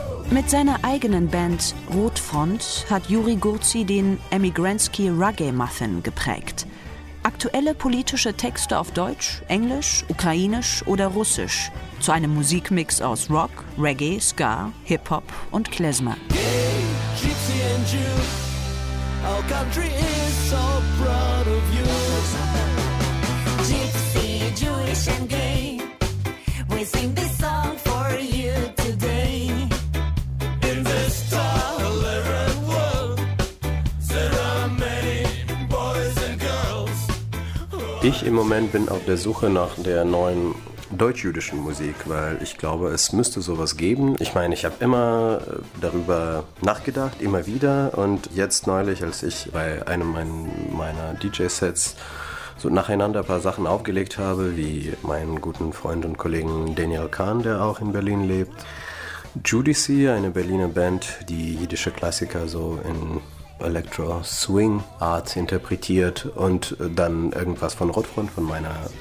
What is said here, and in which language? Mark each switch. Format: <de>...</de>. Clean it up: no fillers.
<de>Mit Mit seiner eigenen Band Rotfront hat Juri Gurzi den Emigrantski Reggae Muffin geprägt. Aktuelle politische Texte auf Deutsch, Englisch, Ukrainisch oder Russisch. Zu einem Musikmix aus Rock, Reggae, Ska, Hip-Hop und Klezmer.</de> <en>Hey, Gypsy and Jew, our country is so proud of you. Jewish and gay, we sing this song for you today. In this tolerant world, there are many boys and girls.</en> <de>Ich im Moment bin auf der Suche nach der neuen deutsch-jüdischen Musik, weil ich glaube, es müsste sowas geben. Ich meine, ich habe immer darüber nachgedacht, immer wieder, und jetzt neulich, als ich bei einem meiner DJ-Sets so nacheinander ein paar Sachen aufgelegt habe, wie meinen guten Freund und Kollegen Daniel Kahn, der auch in Berlin lebt, Judici, eine Berliner Band, die jüdische Klassiker so in Electro-Swing-Art interpretiert und dann irgendwas von Rotfront, von meiner</de>